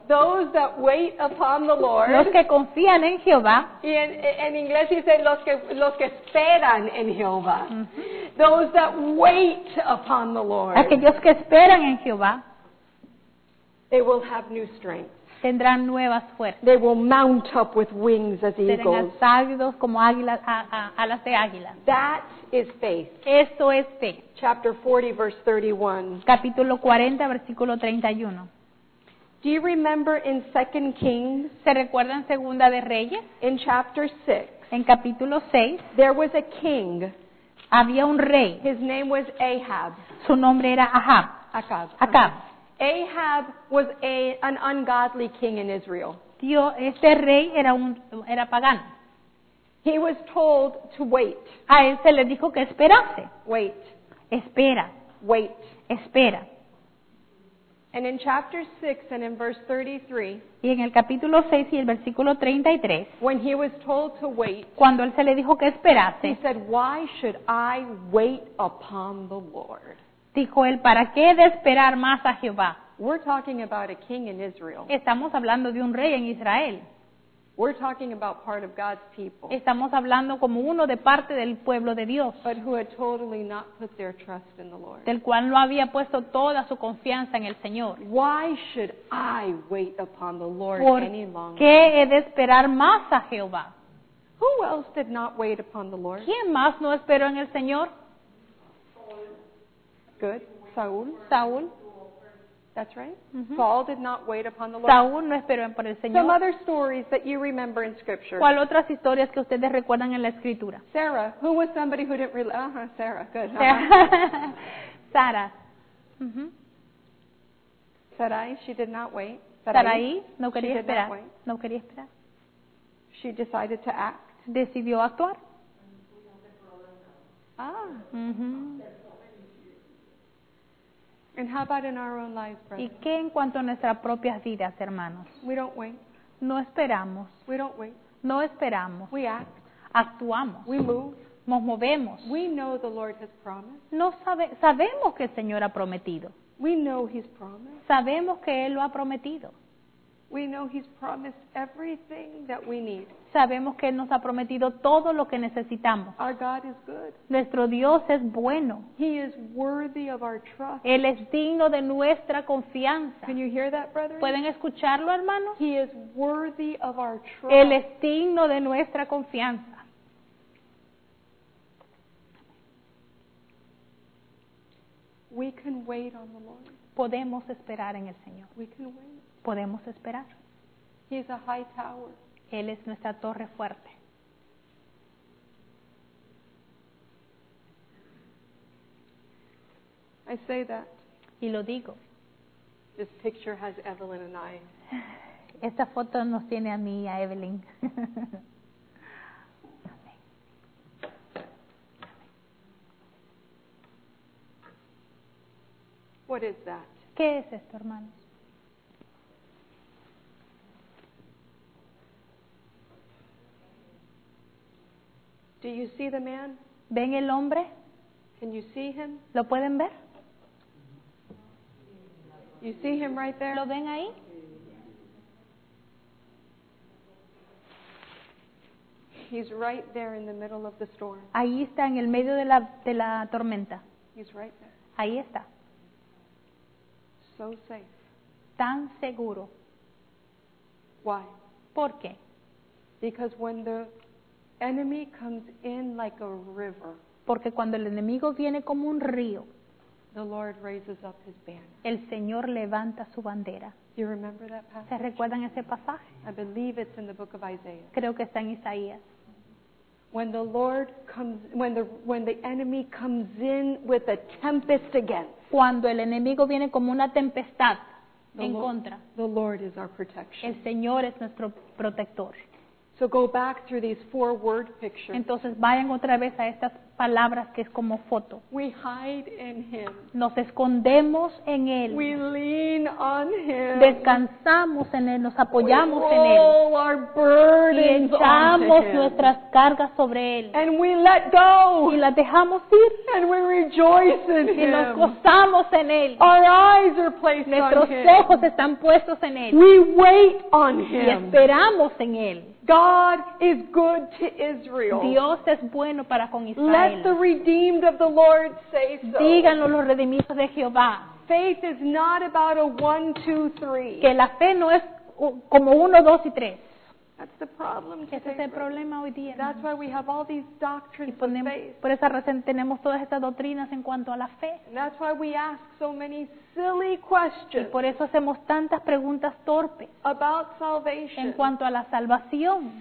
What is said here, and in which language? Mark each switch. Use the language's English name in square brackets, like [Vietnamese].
[English] those that wait upon the Lord, [Spanish] los que confían en Jehová, y en inglés dice los que esperan en Jehová, mm-hmm. [English] Those that wait upon the Lord, [Spanish] aquellos que esperan en Jehová, [English] they will have new strength. [Spanish] Tendrán nuevas fuerzas. [English] They will mount up with wings as eagles. [Spanish] Serán alzados como águilas, alas de águila. [English] That is faith. [Spanish] Eso es fe. [English] Chapter 40, verse 31. [Spanish] Capítulo 40, versículo 31. [English] Do you remember in 2 Kings? [Spanish] ¿Se recuerdan Segunda de Reyes? [English] In chapter 6. [Spanish] En capítulo 6. [English] There was a king. [Spanish] Había un rey. [English] His name was Ahab. [Spanish] Su nombre era Ahab. Acab. [English] Ahab was an ungodly king in Israel. [Spanish] Dios, este rey era pagano. [English] He was told to wait. [Spanish] A él se le dijo que esperase. [English] Wait. [Spanish] Espera. [English] Wait. [Spanish] Espera. [English] And in chapter 6 and in verse 33. [Spanish] Y en el capítulo 6 y el versículo 33. [English] When he was told to wait. [Spanish] Cuando él se le dijo que esperase. [English] He said, "Why should I wait upon the Lord?" [Spanish] Dijo él, ¿para qué de esperar más a Jehová? [English] We're talking about a king in Israel. [Spanish] Estamos hablando de un rey en Israel. [English] We're talking about part of God's people. [Spanish] Estamos hablando como uno de parte del pueblo de Dios. [English] But who had totally not put their trust in the Lord. [Spanish] Del cual no había puesto toda su confianza en el Señor. [English] Why should I wait upon the Lord [Spanish] ¿Por [English] any longer? [Spanish] ¿Qué he de esperar más a Jehová? [English] Who else did not wait upon the Lord? [Spanish] ¿Quién más no esperó en el Señor? [English] Good. [Spanish] Saúl. [English] That's right. Mm-hmm. Saul did not wait upon the Lord. [Spanish] Saúl no esperó por el Señor. [English] Some other stories that you remember in Scripture. [Spanish] ¿Cuál otras historias que ustedes recuerdan en la Escritura? [English] Sarah. Who was somebody who didn't really... Uh-huh, Sarah. Good. Uh-huh. Sarah. Mm-hmm. Sarai, she did not wait. [Spanish] Sarai, no quería esperar. No quería esperar. [English] She decided to act. [Spanish] Decidió actuar. Ah. Mm-hmm. [English] And how about in our own lives, brother? [Spanish] ¿Y qué en cuanto a nuestras propias vidas, hermanos? [English] We don't wait. [Spanish] No esperamos. [English] We don't wait. [Spanish] No esperamos. [English] We act. [Spanish] Actuamos. [English] We move. [Spanish] Nos movemos. [English] We know the Lord has promised. [Spanish] Sabemos que el Señor ha prometido. [English] We know he's promised. [Spanish] Sabemos que Él lo ha prometido. [English] We know he's promised everything that we need. [Spanish] Sabemos que Él nos ha prometido todo lo que necesitamos. [English] Our God is good. [Spanish] Nuestro Dios es bueno. [English] He is worthy of our trust. [Spanish] Él es digno de nuestra confianza. [English] Can you hear that, brother? [Spanish] ¿Pueden escucharlo, hermanos? [English] He is worthy of our trust. [Spanish] Él es digno de nuestra confianza. [English] We can wait on the Lord. [Spanish] Podemos esperar en el Señor. [English] We can wait. [Spanish] Podemos esperar. [English] He is a high tower. [Spanish] Él es nuestra torre fuerte. [English] I say that. [Spanish] Y lo digo. [English] This picture has Evelyn and I. [Spanish] Esta foto nos tiene a mí y a Evelyn. [English] What is that? [Spanish] ¿Qué es esto, hermano? [English] Do you see the man? [Spanish] ¿Ven el hombre? [English] Can you see him? [Spanish] ¿Lo pueden ver? [English] You see him right there? [Spanish] ¿Lo ven ahí? [English] He's right there in the middle of the storm. [Spanish] Ahí está en el medio de la tormenta. [English] He's right there. [Spanish] Ahí está. [English] So safe. [Spanish] Tan seguro. [English] Why? [Spanish] ¿Por qué? [English] Because when the enemy comes in like a river. [Spanish] Porque cuando el enemigo viene como un río. [English] The Lord raises up his banner. [Spanish] El Señor levanta su bandera. [English] You remember that passage? [Spanish] ¿Se recuerdan ese pasaje? [English] I believe it's in the book of Isaiah. [Spanish] Creo que está en Isaías. [English] When the Lord comes, when the enemy comes in with a tempest against. [Spanish] Cuando el enemigo viene como una tempestad. en contra. [English] The Lord is our protection. [Spanish] El Señor es nuestro protector. [English] So go back through these four word pictures. [Spanish] Entonces vayan otra vez a estas palabras que es como foto. [English] We hide in him. [Spanish] Nos escondemos en él. [English] We lean on him. [Spanish] Descansamos en él, nos apoyamos en él. [English] We roll our burdens onto him. [Spanish] Y echamos nuestras cargas sobre él. [English] And we let go. [Spanish] Y las dejamos ir. [English] And we rejoice in him. [Spanish] Y nos gozamos en él. [English] Our eyes are placed on him. [Spanish] Nuestros ojos están puestos en él. [English] We wait on him. [Spanish] Y esperamos en él. [English] God is good to Israel. [Spanish] Dios es bueno para con Israel. [English] Let the redeemed of the Lord say so. [Spanish] Díganlo los redimidos de Jehová. [English] Faith is not about a 1, 2, 3. [Spanish] Que la fe no es como 1, 2, 3. [English] That's the problem today. [Spanish] Ese es el problema hoy día. [English] That's why we have all these doctrines of faith. [Spanish] Por esa razón tenemos todas estas doctrinas en cuanto a la fe. [English] And that's why we ask so many silly questions. [Spanish] Y por eso hacemos tantas preguntas torpes. [English] About salvation. [Spanish] En cuanto a la salvación.